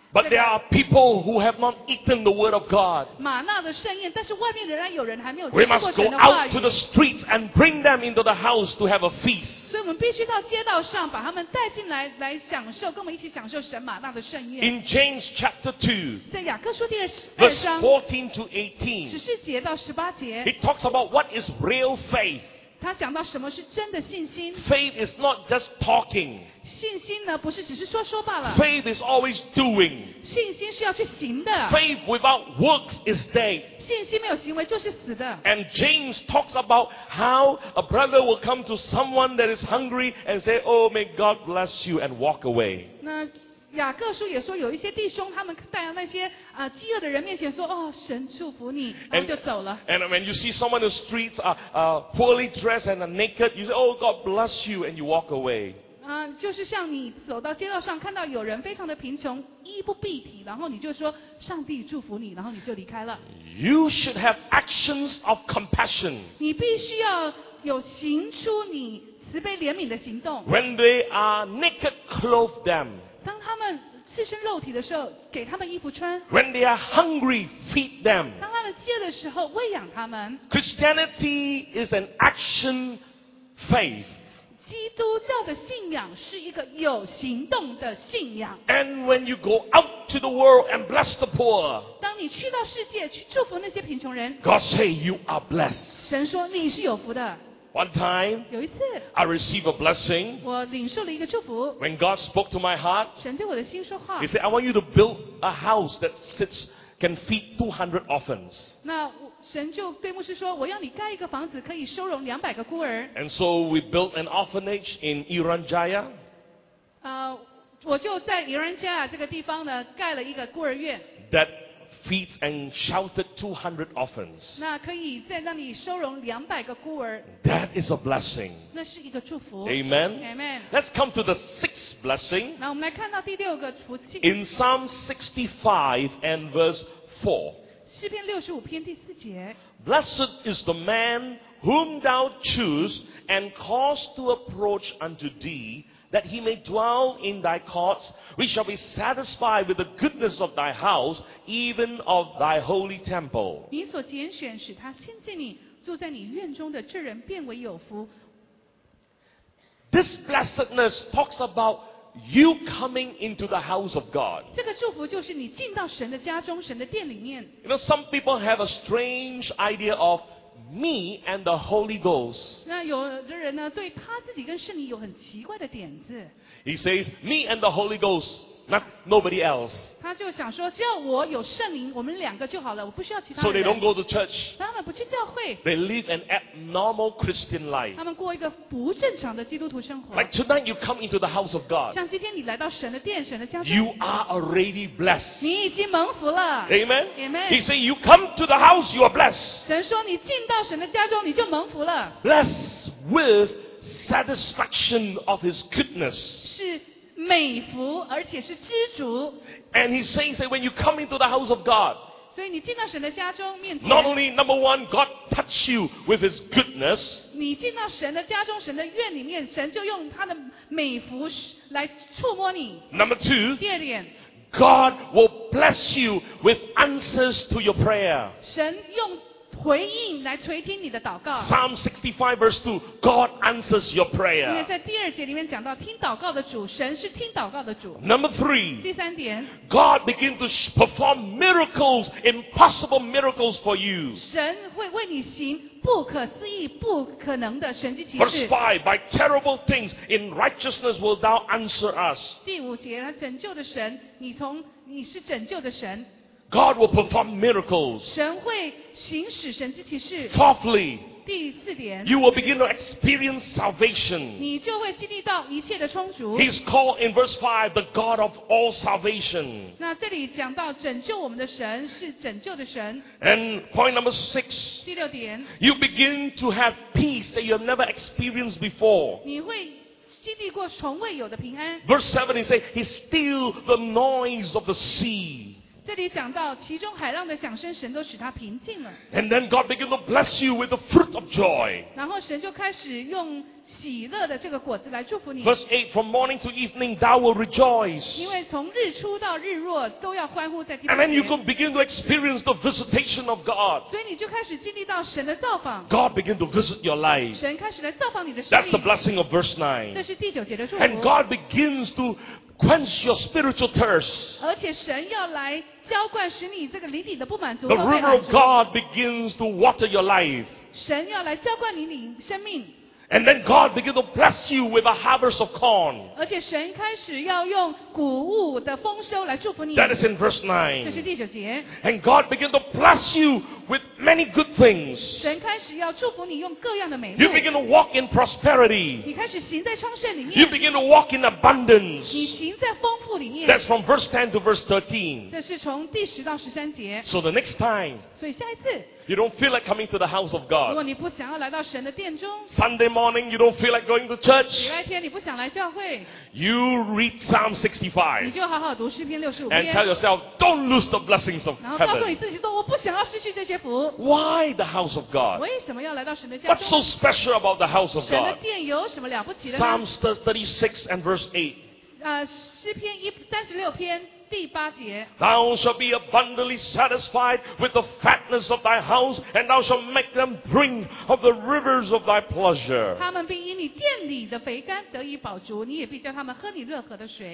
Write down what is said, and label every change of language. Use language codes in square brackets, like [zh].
[en] But there are people who have not eaten the word of God. [zh] 马纳的盛宴，但是外面仍然有人还没有吃过神的话语。 [en] We must go out to the streets and bring them into the house to have a feast. [zh] 所以我们必须到街道上把他们带进来，来享受，跟我们一起享受神马纳的盛宴。 [en] In James chapter 2, [zh] 在雅各书第二章 [en] verse 14 to 18, [zh] 十四节到十八节， [en] he talks about what is real faith. [zh] 他讲到什么是真的信心。 [en] Faith is not just talking. [zh] 信心呢不是只是说说罢了。 [en] Faith is always doing. [zh] 信心是要去行的。 [en] Faith without works is dead. [zh] 信心没有行为就是死的。 [en] And James talks about how a brother will come to someone that is hungry and say, Oh, may God bless you and walk away. [zh] 那雅各书也说有一些弟兄他们带到那些饥饿的人面前说，哦，神祝福你，然后就走了。 [en] And when you see someone in the streets poorly dressed and naked, you say, Oh, God bless you, and you walk away. [zh] 就是像你走到街道上看到有人非常的贫穷，衣不蔽体，然后你就说上帝祝福你，然后你就离开了。 [en] You should have actions of compassion. [zh] 你必须要有行出你慈悲怜悯的行动。 [en] When they are naked, clothe them. [zh] 当他们赤身肉体的时候，给他们衣服穿。 [en] When they are hungry, feed them. [zh] 当他们饥饿的时候，喂养他们。 [en] Christianity is an action faith. [zh] 基督教的信仰是一个有行动的信仰。 [en] And when you go out to the world and bless the poor, [zh] 当你去到世界去祝福那些贫穷人， [en] God say you are blessed. [zh] 神说你是有福的。 [en] One time, [zh] 有一次 [en] I received a blessing. [zh] 我领受了一个祝福。 [en] When God spoke to my heart, [zh] 神对我的心说话。 [en] He said, I want you to build a house that sits, can feed 200 orphans. [zh] 那神就对牧师说，我要你盖一个房子可以收容200个孤儿。 [en] And so we built an orphanage in Iran Jaya. [zh] 我就在 Iran Jaya 这个地方呢，盖了一个孤儿院。 [en] That feeds and sheltered 200 orphans. [zh] 那可以在那里收容200个孤儿。 [en] That is a blessing. [zh] 那是一个祝福。 [en] Amen. Amen. Let's come to the sixth blessing. [zh] 那我们来看到第六个福气。 [en] In Psalm 65 and verse 4. [zh] 诗篇六十五篇第四节。 [en] Blessed is the man whom thou choose and cause to approach unto thee. That he may dwell in thy courts, we shall be satisfied with the goodness of thy house, even of thy holy temple. [zh] 你所拣选使他亲近你，住在你院中的这人变为有福。 [en] This blessedness talks about you coming into the house of God. [zh] 这个祝福就是你进到神的家中，神的殿里面。 [en] You know, some people have a strange idea of me and the Holy Ghost. [zh] 那有的人呢，对他自己跟圣灵有很奇怪的点子。 [en] He says, me and the Holy Ghost, not nobody else. [zh] 他就想说，只要我有圣灵，我们两个就好了，我不需要其他人。 [en] So they don't go to church. [zh] 他们不去教会。 [en] They live an abnormal Christian life. [zh] 他们过一个不正常的基督徒生活。 [en] Like tonight you come into the house of God. [zh] 像今天你来到神的殿，神的家中。 [en] You are already blessed. [zh] 你已经蒙福了。 [en] Amen. Amen. He says, you come to the house, you are blessed. [zh] 神说，你进到神的家中，你就蒙福了。 [en] Blessed with satisfaction of His goodness. [zh] 是美福，而且是知足。 [en] And He says that when you come into the house of God, [zh] 所以你进到神的家中面前， [en] not only number one, God touch you with His goodness. [zh] 你进到神的家中，神的院里面，神就用他的美福来触摸你。 [en] Number two, [zh] 第二点。 [en] God will bless you with answers to your prayer. [zh] 神用回应来垂听你的祷告。 [en] Psalm 65 verse 2, God answers your prayer. [zh] 因为在第二节里面讲到，听祷告的主，神是听祷告的主。 [en] Number three, [zh] 第三点， [en] God begins to perform miracles, impossible miracles for you. [zh] 神会为你行不可思议、不可能的神迹奇事。 [en] Verse 5, by terrible things in righteousness will thou answer us. [zh] 第五节，他拯救的神，你是拯救的神。 [en] God will perform miracles. [zh] 神会行使神迹奇事。 [en] Fourthly, [zh] 第四点， [en] you will begin to experience salvation. [zh] 你就会经历到一切的充足。 [en] He's called in verse 5 the God of all salvation. [zh] 那这里讲到拯救我们的神是拯救的神。 [en] And point number 6, [zh] 第六点， [en] you begin to have peace that you have never experienced before. [zh] 你会经历过从未有的平安。 [en] Verse 7, he says, he still the noise of the sea. [zh] 这里讲到其中海浪的响声，神都使他平静了。 [en] And then God began to bless you with the fruit of joy. [zh] 然后神就开始用喜乐的这个果子来祝福你。 [en] Verse 8, from morning to evening, thou will rejoice. [zh] 因为从日出到日落都要欢呼在地。 [en] And then you could begin to experience the visitation of God. [zh] 所以你就开始经历到神的造访。 [en] God began to visit your life. [zh] 神开始来造访你的生命。 [en] That's the blessing of verse 9. [zh] 这是第九节的祝福。 [en] And God begins to quench your spiritual thirst. [zh] 而且神要来浇灌使你这个灵里的不满足。 [en] The river of God begins to water your life. [zh] 神要来浇灌你的生命。 [en] And then God begins to bless you with a harvest of corn. [zh] 而且神开始要用谷物的丰收来祝福你。 [en] That is in verse 9. [zh] 这是第九节。 [en] And God begins to bless you with many good things. [zh] 神开始要祝福你用各样的美物。 [en] You begin to walk in prosperity. [zh] 你开始行在昌盛里面。 [en] You begin to walk in abundance. [zh] 你行在丰富里面。 [en] That's from verse 10 to verse 13. [zh] 这是从第十到十三节。 [en] So the next time. [zh] 所以下一次。 [en] You don't feel like coming to the house of God. [zh] 如果你不想要来到神的殿中。 [en] Sunday morning, you don't feel like going to church. [zh] 礼拜天你不想来教会。 [en] You read Psalm 65. [zh] 你就好好读诗篇六十五篇。 [en] And tell yourself, don't lose the blessings of heaven. [zh] 然后告诉你自己说，我不想要失去这些福。 [en] Why the house of God? [zh] 为什么要来到神的家中？ [en] What's so special about the house of God? [zh] 神的殿有什么了不起的？ [en] Psalms 36 and verse 8. [zh] 诗篇36篇。第八节， [en] thou shalt be abundantly satisfied with the fatness of thy house, and thou shalt make them drink of the rivers of thy pleasure. [zh] 他们必因你殿里的肥甘得以饱足，你也必叫他们喝你乐河的水。